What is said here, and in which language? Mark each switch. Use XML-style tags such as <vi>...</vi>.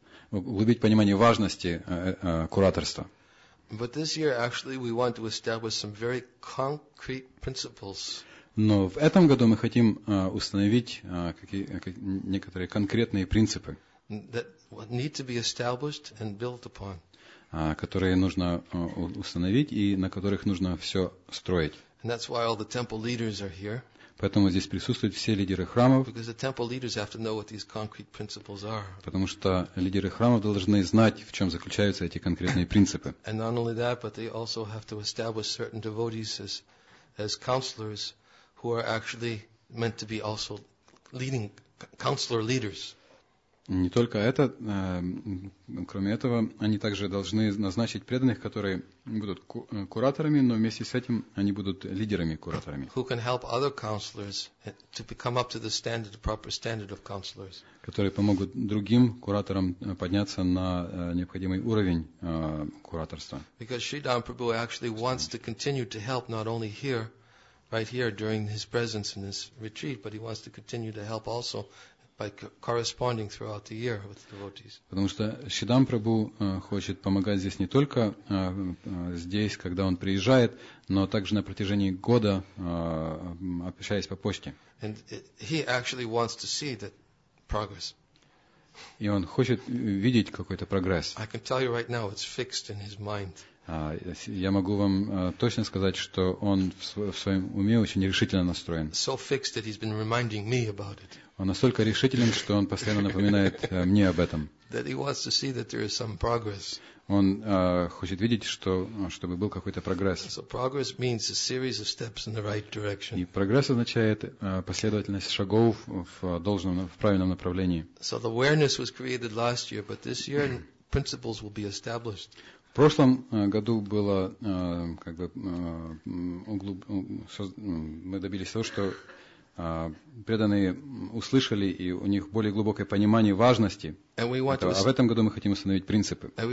<ru>Углубить понимание важности кураторства.</ru> <en>But this year, actually, we want to establish some very concrete principles.</en> <ru>Но в этом году мы хотим установить некоторые конкретные принципы,</ru> <en>that need to be established and built upon.</en> <ru>Которые нужно установить и на которых нужно все строить.</ru> <en>And that's why all the temple leaders are here.</en> <ru>Поэтому здесь присутствуют все лидеры храмов.</ru> <en>Because the temple leaders have to know what these concrete principles are.</en> <ru>Потому что лидеры храмов должны знать, в чем заключаются эти конкретные принципы.</ru> <en>And not only that, but they also have to establish certain devotees as counselors who are actually meant to be also leading counselor leaders.</en> <ru>Не только это, кроме этого, они также должны назначить преданных, которые будут кураторами, но вместе с этим они будут лидерами-кураторами.</ru> <en>Who can help other counselors to come up to the standard, the proper standard of counselors.</en> <ru>Которые помогут другим кураторам подняться на необходимый уровень кураторства.</ru> <en>Because Sri Dham Prabhu actually wants to continue to help not only here, right here, during his presence in this retreat, but he wants to continue to help also by corresponding throughout the year with devotees.</en> <ru>Потому что Шридам Прабху хочет помогать здесь не только здесь, когда он приезжает, но также на протяжении года, общаясь по почте.</ru> <en>And he actually wants to see that progress.</en> <ru>И он хочет видеть какой-то прогресс.</ru> <en>I can tell you right now, it's fixed in his mind.</en> <ru>Я могу вам точно сказать, что он в своем уме очень решительно настроен.</ru> <en>So fixed that he's been reminding me about it.</en> <ru>Он настолько решителен, что он постоянно напоминает мне об этом.</ru> <en>That he wants to see that there is some progress.</en> <ru>Он хочет видеть, чтобы был какой-то прогресс.</ru> <en>So progress means a series of steps in the right direction.</en> <ru>И прогресс означает последовательность шагов в должном, в правильном направлении.</ru> <en>So the awareness was created last year, but this year principles will be established.</en> <ru>В прошлом году было, как бы, мы добились того, что преданные услышали, и у них более глубокое понимание важности. А в этом году мы хотим установить принципы.</ru>